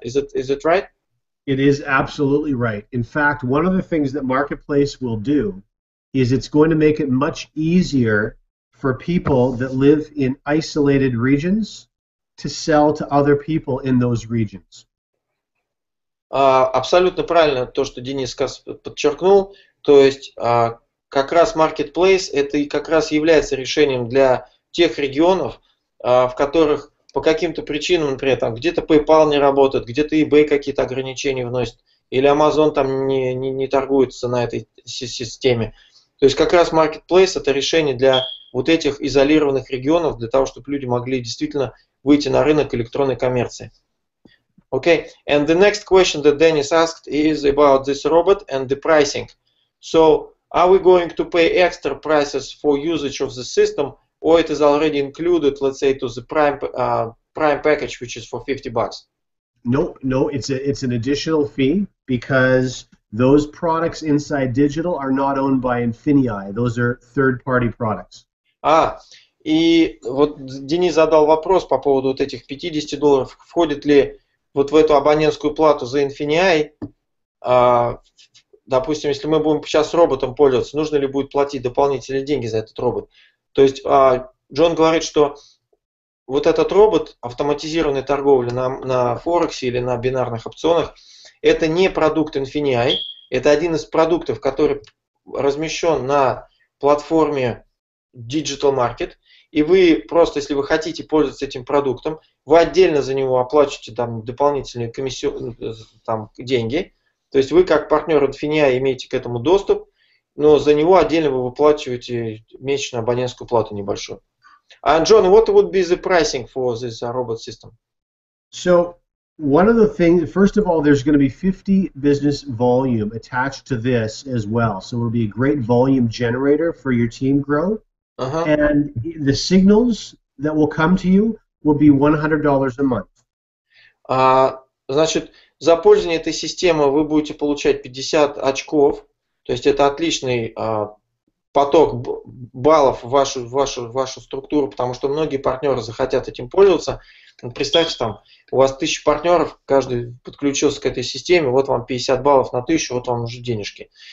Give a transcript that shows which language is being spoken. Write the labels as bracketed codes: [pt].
[en] Is it right? It is absolutely right. In fact, one of the things that Marketplace will do is it's going to make it much easier for people that live in isolated regions to sell to other people in those regions. [ru] Абсолютно правильно то, что Денис подчеркнул. То есть как раз Marketplace это и как раз является решением для тех регионов, в которых по каким-то причинам, например, там где-то PayPal не работает, где-то eBay какие-то ограничения вносит, или Amazon там не торгуется на этой системе. То есть как раз Marketplace это решение для вот этих изолированных регионов, для того, чтобы люди могли действительно выйти на рынок электронной коммерции. [en] Okay, and the next question that Dennis asked is about this robot and the pricing. So, are we going to pay extra prices for usage of the system, or it is already included, let's say, to the prime prime package, which is for $50? No, it's an additional fee because those products inside Digital are not owned by Infinii. Those are third-party products. [ru] Ah, и вот Денис задал вопрос по поводу вот этих $50. Входит ли вот в эту абонентскую плату за Infinii, допустим, если мы будем сейчас роботом пользоваться, нужно ли будет платить дополнительные деньги за этот робот? То есть Джон говорит, что вот этот робот автоматизированной торговли на Форексе или на бинарных опционах, это не продукт Infinii, это один из продуктов, который размещен на платформе Digital Market, и вы просто, если вы хотите пользоваться этим продуктом, вы отдельно за него оплачиваете там дополнительные деньги, то есть вы как партнер Infinii имеете к этому доступ, но за него отдельно вы выплачиваете месячную абонентскую плату небольшую. [en] And John, what would be the pricing for this robot system? So, one of the things, first of all, there's going to be 50 business volume attached to this as well. So, it'll be a great volume generator for your team growth. Uh-huh. And the signals that will come to you will be $100 a month. [ru] Значит, за пользование этой системы вы будете получать 50 очков. То есть, это отличный поток баллов в вашу структуру, потому что многие партнеры захотят этим пользоваться. Представьте, там у вас 1000 партнеров, каждый подключился к этой системе, вот вам 50 баллов на 1000, вот вам уже денежки.